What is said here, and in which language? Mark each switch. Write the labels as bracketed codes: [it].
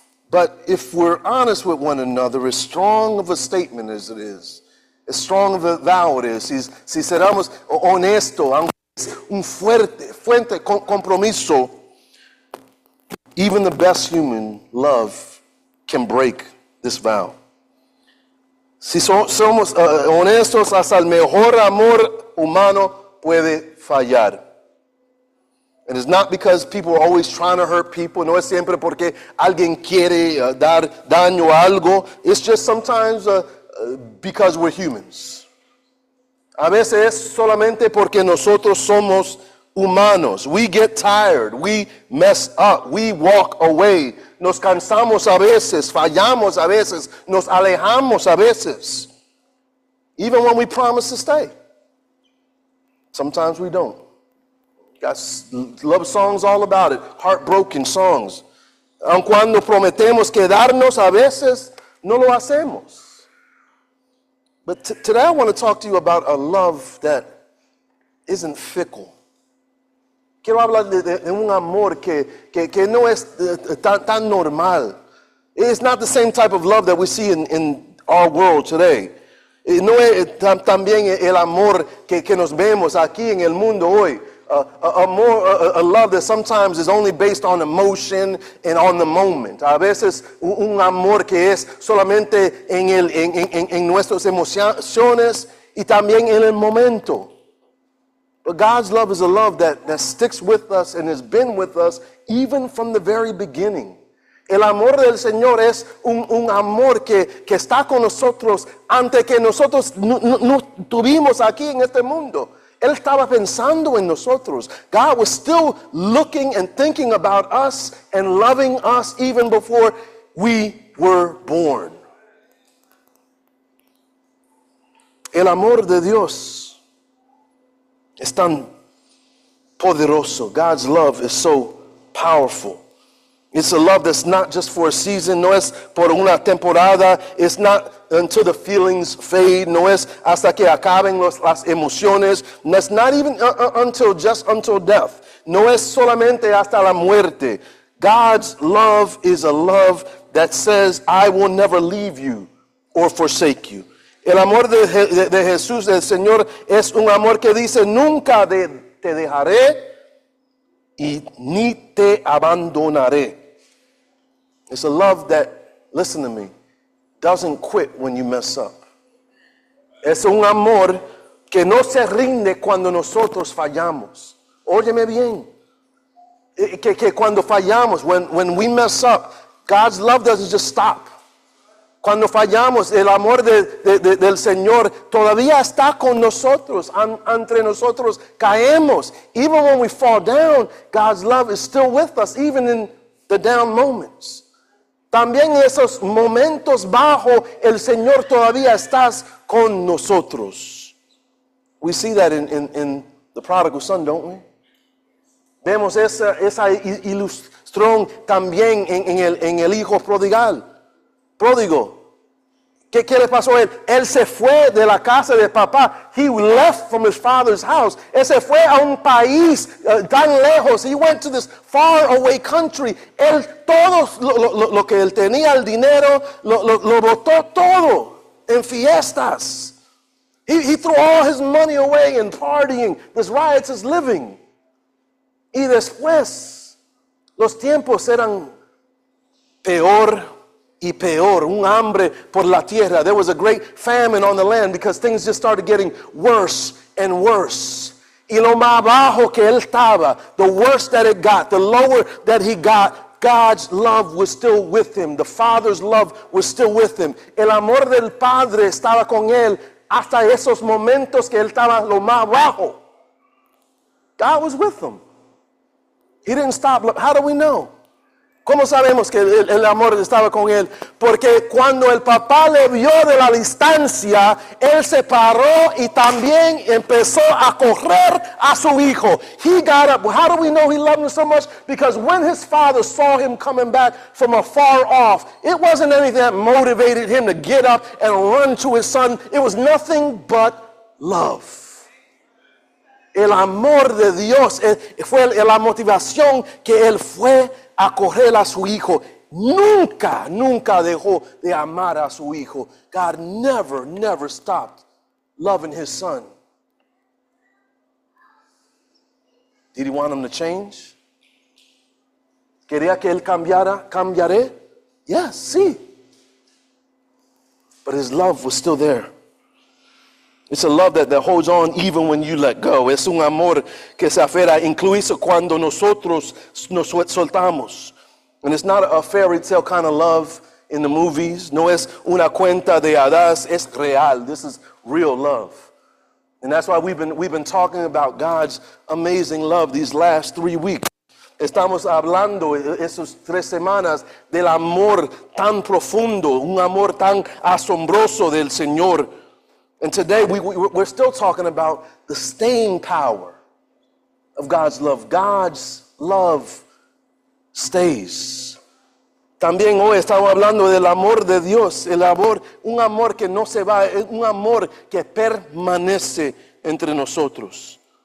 [en] But if we're honest with one another, as strong of a statement as it is, as strong of a vow it is, [es] si seramos honesto, aunque es un fuerte compromiso, [en] even the best human love can break this vow. [es] Si somos honestos, hasta el mejor amor humano puede fallar. [en] And it's not because people are always trying to hurt people. [es] No es siempre porque alguien quiere dar daño a algo. [en] It's just sometimes because we're humans. [es] A veces es solamente porque nosotros somos humanos. [en] We get tired. We mess up. We walk away. [es] Nos cansamos a veces. Fallamos a veces. Nos alejamos a veces. [en] Even when we promise to stay, sometimes we don't. Got love songs all about it. Heartbroken songs. [es] Aun cuando prometemos quedarnos, a veces no lo hacemos. [en] But today I want to talk to you about a love that isn't fickle. [es] Quiero hablar de un amor que no es tan normal. [en] It's not the same type of love that we see in our world today. [es] No es también el amor que nos vemos aquí en el mundo hoy. [en] A love that sometimes is only based on emotion and on the moment. [es] A veces un amor que es solamente en nuestras emociones y también en el momento. [en] But God's love is a love that sticks with us and has been with us even from the very beginning. [es] El amor del Señor es un amor que está con nosotros antes que nosotros nos tuvimos aquí en este mundo. Él estaba pensando en nosotros. [en] God was still looking and thinking about us and loving us even before we were born. [es] El amor de Dios es tan poderoso. [en] God's love is so powerful. It's a love that's not just for a season. [es] No es por una temporada. [en] It's not until the feelings fade. [es] No es hasta que acaben las emociones. No es [en] not even until death. [es] No es solamente hasta la muerte. [en] God's love is a love that says, I will never leave you or forsake you. [es] El amor de Jesús, del Señor, es un amor que dice, nunca te dejaré y ni te abandonaré. [en] It's a love that, listen to me, doesn't quit when you mess up. [es] Es un amor que no se rinde cuando nosotros fallamos. Óyeme bien. Que cuando fallamos, [en] when we mess up, God's love doesn't just stop. [es] Cuando fallamos, el amor del Señor todavía está con nosotros, entre nosotros caemos. [en] Even when we fall down, God's love is still with us, even in the down moments. [es] También en esos momentos bajos, el Señor todavía está con nosotros. [en] We see that in the prodigal son, don't we? [es] Vemos esa ilustración también en el hijo prodigal. Pródigo, ¿qué le pasó a él? Él se fue de la casa de papá. [en] He left from his father's house. [es] Él se fue a un país tan lejos. [en] He went to this far away country. [es] Él todo lo que él tenía, el dinero, lo botó todo en fiestas. [en] He threw all his money away in partying, this riotous living. [es] Y después, los tiempos eran peor. Y peor, un hambre por la tierra. [en] There was a great famine on the land because things just started getting worse and worse. [es] Y lo más bajo que él estaba, [en] the worse that it got, the lower that he got, God's love was still with him. The Father's love was still with him. [es] El amor del Padre estaba con él hasta esos momentos que él estaba lo más bajo. [en] God was with him. He didn't stop. How do we know? [es] ¿Cómo sabemos que el amor estaba con él? Porque cuando el papá le vio de la distancia, él se paró y también empezó a correr a su hijo. [en] He got up. How do we know he loved him so much? Because when his father saw him coming back from afar off, it wasn't anything that motivated him to get up and run to his son. It was nothing but love. [es] El amor de Dios fue la motivación que él fue a correr a su hijo. Nunca, nunca dejó de amar a su hijo. [en] God never, never stopped loving his son. Did he want him to change? [es] ¿Quería que él cambiara? ¿Cambiaré? [en] Yes, sí. But his love was still there. It's a love that holds on even when you let go. [es] Es un amor que se aferra incluso cuando nosotros nos soltamos. [en] And it's not a fairy tale kind of love in the movies. [es] No es una cuenta de hadas. Es real. [en] This is real love. And that's why we've been talking about God's amazing love these last 3 weeks. [es] Estamos hablando esas tres semanas del amor tan profundo, un amor tan asombroso del Señor. [en] And today we're still talking about the staying power of God's love. God's love stays. [es] También hoy estamos hablando del amor de Dios, el amor, un amor que no se va, un amor que permanece entre nosotros.